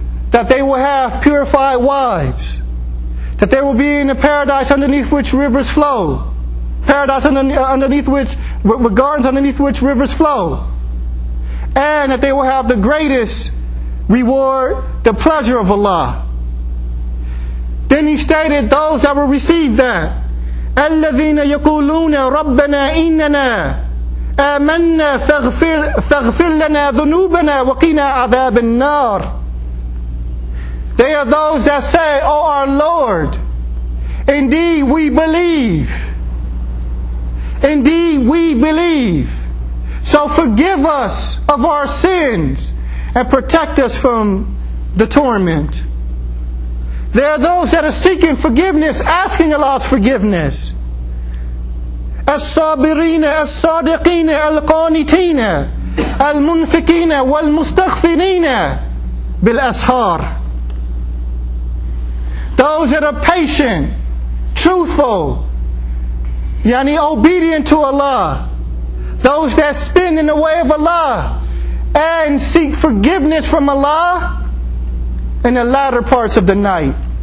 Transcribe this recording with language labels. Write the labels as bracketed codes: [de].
[en] That they will have purified wives. That they will be in a paradise underneath which rivers flow. Paradise underneath which, with gardens underneath which rivers flow. And that they will have the greatest reward, the pleasure of Allah. Then he stated, those that will receive that, [ar] الَّذِينَ يَقُولُونَ رَبَّنَا إِنَّنَا آمَنَّا فَاغْفِرْ لَنَا ذُنُوبَنَا وَقِنَا عَذَابَ النَّارِ. [en] They are those that say, "O our Lord, indeed we believe. Indeed we believe. So forgive us of our sins and protect us from the torment." There are those that are seeking forgiveness, asking Allah's forgiveness. [ar] الصابرين الصادقين القانتين المنفقين والمستغفرين بالأسحار. [en] Those that are patient, truthful, yani obedient to Allah. Those that spin in the way of Allah and seek forgiveness from Allah in the latter parts of the night.